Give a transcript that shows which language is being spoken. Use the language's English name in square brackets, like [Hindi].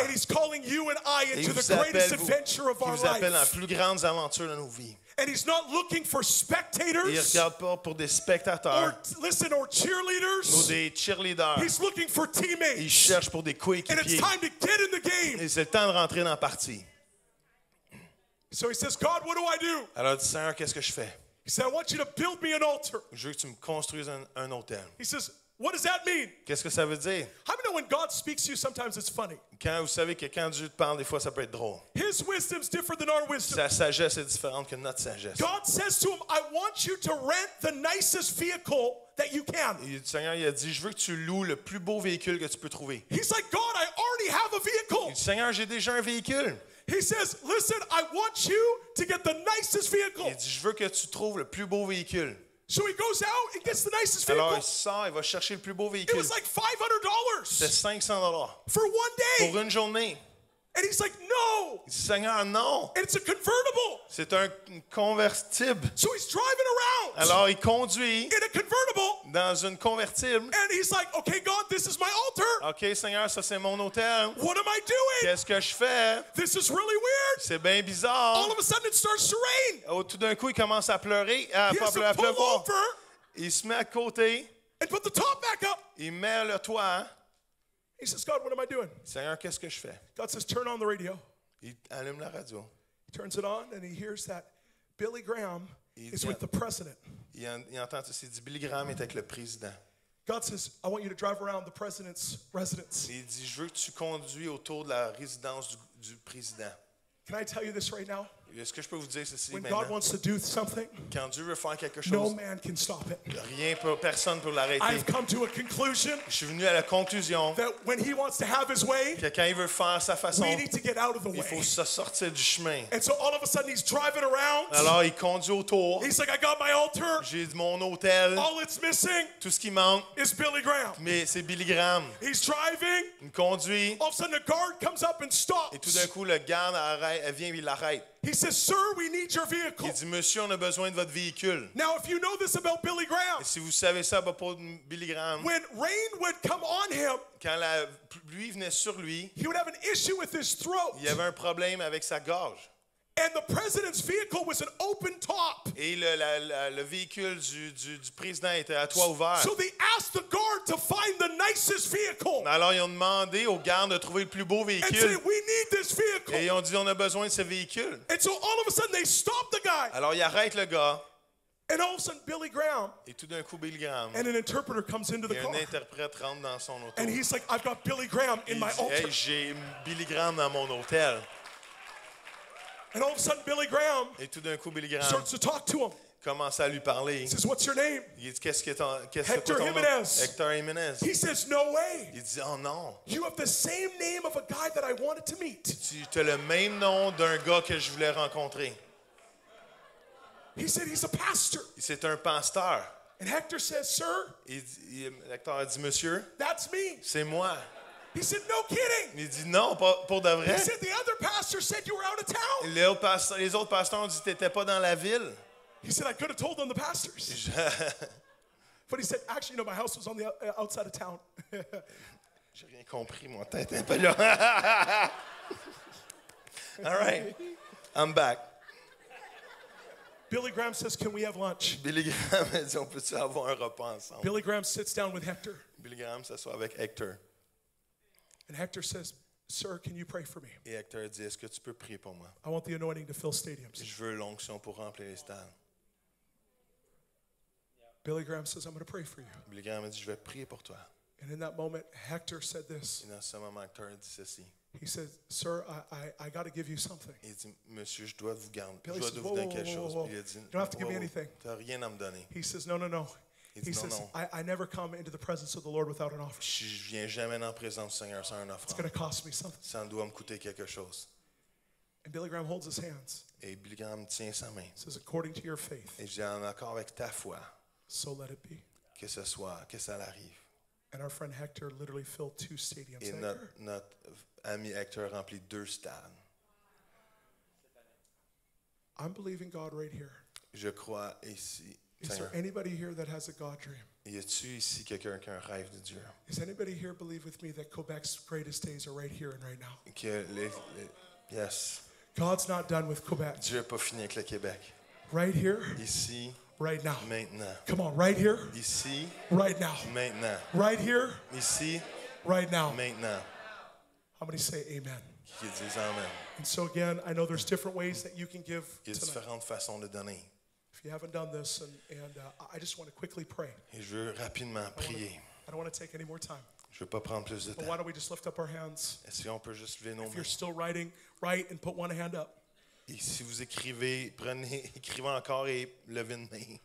[English] And he's calling you and I into the greatest adventure of our lives. [French] Il vous appelle dans les plus grandes aventures de nos vies. [English] And he's not looking for spectators. [French] Il regarde pas pour des spectateurs. [English] Or cheerleaders. [French] Ou des cheerleaders. [English] He's looking for teammates. [French] Il cherche pour des coéquipiers. [English] And it's time to get in the game. [French] Et c'est le temps de rentrer dans la partie. [English] So he says, God, what do I do? [French] Alors, Seigneur, qu'est-ce que je fais? [English] He said, I want you to build me an altar. [French] Je veux que tu me construises un autel. [English] He says, what does that mean? [French] Qu'est-ce que ça veut dire? [English] How many know when God speaks to you, sometimes it's funny. [French] Quand vous savez que quand Dieu te parle, des fois, ça peut être drôle. [English] His wisdom's different than our wisdom. [French] Sa sagesse est différente que notre sagesse. [English] God says to him, I want you to rent the nicest vehicle that you can. [French] Le Seigneur, il a dit, je veux que tu loues le plus beau véhicule que tu peux trouver. [English] He's like, God, I already have a vehicle. [French] Le Seigneur, j'ai déjà un véhicule. [English] He says, listen, I want you to get the nicest vehicle. [French] Il dit, je veux que tu trouves le plus beau véhicule. [English] So he goes out and gets the nicest vehicle. [French] Alors, il sort, il va chercher le plus beau véhicule. [English] It was like $500. [French] C'était $500. [English] For one day. [French] Pour une journée. [English] And he's like, no. [French] Il dit, Seigneur, non. [English] And it's a convertible. [French] C'est un convertible. [English] So he's driving around. [French] Alors, il conduit. [English] In a convertible. [French] Dans une convertible. [English] And he's like, okay, God, this is my altar. [French] Okay, Seigneur, ça c'est mon autel. [English] What am I doing? [French] Qu'est-ce que je fais? [English] This is really weird. [French] C'est bien bizarre. [English] All of a sudden, it starts to rain. [French] Oh, tout d'un coup, il commence à pleurer. [English] He has to pull over. [French] Il se met à côté. [English] And put the top back up. [French] Il met le toit. [English] He says, God, what am I doing? [French] Seigneur, qu'est-ce que je fais? [English] God says, turn on the radio. [French] Il allume la radio. [English] He turns it on and he hears that Billy Graham is with the president. [French] Il entend ça, il dit, Billy Graham est avec le président. [English] God says, I want you to drive around the president's residence. [French] Il dit, je veux que tu conduis autour de la résidence du président. [English] Can I tell you this right now? [French] Est-ce que je peux vous dire ceci [English] maintenant? God wants to do something, [French] quand Dieu veut faire quelque chose, [English] no man can stop it. [French] Rien peut, personne peut l'arrêter. [English] I've come to a conclusion, [French] je suis venu à la conclusion [English] that when he wants to have his way, [French] que quand il veut faire sa façon, [English] we need to get out of the [French] il faut se sortir du chemin. [English] And so all of a sudden he's driving around. [French] Alors il conduit autour. [English] He's like, I got my altar. [French] J'ai mon autel. [English] All it's missing, [French] tout ce qui manque, [English] is Billy Graham. [French] Mais c'est Billy Graham. [English] He's driving. [French] Il conduit. [English] All of a sudden a guard comes up and stops. [French] Et tout d'un coup le garde arrête, elle vient et il l'arrête. [English] He says, sir, we need your vehicle. [French] Il dit, monsieur, on a besoin de votre véhicule. [English] Now, if you know this about Billy Graham, [French] si vous savez ça pour Billy Graham, [English] when rain would come on him, [French] quand la pluie venait sur lui, [English] he would have an issue with his throat. [French] Il avait un problème avec sa gorge. [English] And the president's vehicle was an open top. [French] Et le véhicule du président était à toit ouvert. [English] So they asked the guard to find the nicest vehicle. [French] Alors ils ont demandé au garde de trouver le plus beau véhicule. [English] And said, we need this vehicle. [French] Et ils ont dit, on a besoin de ce véhicule. [English] And so all of a sudden they stopped the guy. [French] Alors ils arrêtent le gars. [English] And all of a sudden Billy Graham. [French] Et tout d'un coup Billy Graham. [English] And an interpreter comes into the car. [French] Et un interprète rentre dans son auto. [English] And he's like, I've got Billy Graham in my altar. [French] Hey, j'ai Billy Graham dans mon hôtel. [English] And all of a sudden, Billy Graham, [French] et tout d'un coup, Billy Graham [English] starts to talk to him. [French] Commence à lui parler. [English] He says, what's your name? [French] Il dit, qu'est-ce que ton, qu'est-ce [English] Hector Jimenez. [French] Hector Jimenez. [English] He says, no way. [French] Il dit, oh non. [English] You have the same name of a guy that I wanted to meet. [French] Tu as le même nom d'un gars que je voulais rencontrer. [English] He said, he's a pastor. [French] C'est un pasteur. [English] And Hector says, sir. [French] Hector dit, monsieur. [English] That's me. [French] C'est moi. [English] He said, no kidding. [French] Il dit, non, pas pour de vrai. [English] He said, the other pastor said you were out of town. [French] Les autres pasteurs ont dit, t'étais pas dans la ville. [English] He said, I could have told them the pastors. But he said, actually, you know, my house was on the outside of town. [French] J'ai rien compris, mon tête est pas là. [English] All right, I'm back. Billy Graham says, can we have lunch? [French] Billy Graham dit, on peut-tu avoir un repas ensemble? [English] Billy Graham sits down with Hector. [French] Billy Graham s'assoit avec Hector. [English] And Hector says, sir, can you pray for me? [French] Et Hector dit, est-ce que tu peux prier pour moi? [English] I want the anointing to fill stadiums. [French] Je veux l'onction pour remplir les stades. [English] Billy Graham says, I'm going to pray for you. [French] Billy Graham dit, je vais prier pour toi. [English] And in that moment, Hector said this. [French] Et dans ce moment, Hector dit ceci. [English] He says, sir, I got to give you something. [French] Il dit, monsieur, je dois vous garder. Billy je dois vous donner quelque chose. Whoa. Il dit, [English] you don't have to give me anything. [French] Tu n'as rien à me donner. [English] He says, no. He says, I never come into the presence of the Lord without an offering. [French] Je viens jamais dans la présence du Seigneur sans une offrande. [English] It's going to cost me something. [French] Ça doit me coûter quelque chose. [English] And Billy Graham holds his hands. [French] Et Billy Graham tient sa main. [English] Says, according to your faith. [French] Et je dis, en accord avec ta foi. [English] So let it be. [French] Que ce soit, que ça arrive. [English] And our friend Hector literally filled two stadiums. [French] Et notre ami Hector remplit deux stades. [English] I'm believing God right here. [French] Je crois ici. [English] Is there anybody here that has a God dream? [French] Y a-tu ici quelqu'un qui a un rêve de Dieu? [English] Does anybody here believe with me that Quebec's greatest days are right here and right now? Yes. God's not done with Quebec. [French] Dieu n'est pas fini avec le Québec. [English] Right here. [French] Ici. [English] Right now. [French] Maintenant. [English] Come on, right here. [French] Ici. [English] Right now. [French] Maintenant. [English] Right here. [French] Ici. [English] Right now. [French] Maintenant. [English] How many say amen? [French] Qui dit amen? [English] And so again, I know there's different ways that you can give. [French] Il y a différentes façons de donner. [English] If you haven't done this, I just want to quickly pray. [French] Et je veux rapidement prier. [English] I don't want to take any more time. [French] Je veux pas prendre plus de temps. [English] But why don't we just lift up our hands? [French] Et si on peut juste lever nos mains. [English] If you're still writing, write and put one hand up. [French] Et si vous écrivez, écrivez encore et levez une main.